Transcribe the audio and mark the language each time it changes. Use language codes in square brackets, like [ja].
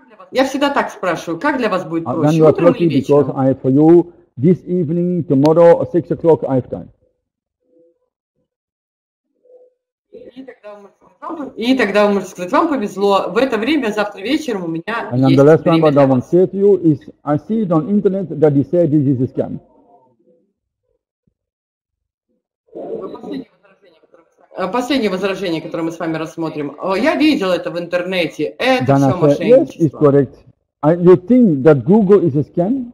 [ru] Я всегда так спрашиваю, как для вас будет проще, утром или вечером? [en] This evening, tomorrow, 6 o'clock, I have time. [ru] И тогда вы можете сказать, вам повезло, в это время, завтра вечером у меня есть время. [en] And the last one that I want to say to you is, I see it on internet that you say this is a scam. [ru] Последнее возражение, которое мы с вами рассмотрим. Я видел это в интернете, это все мошенничество. [en] And you think that Google is a scam?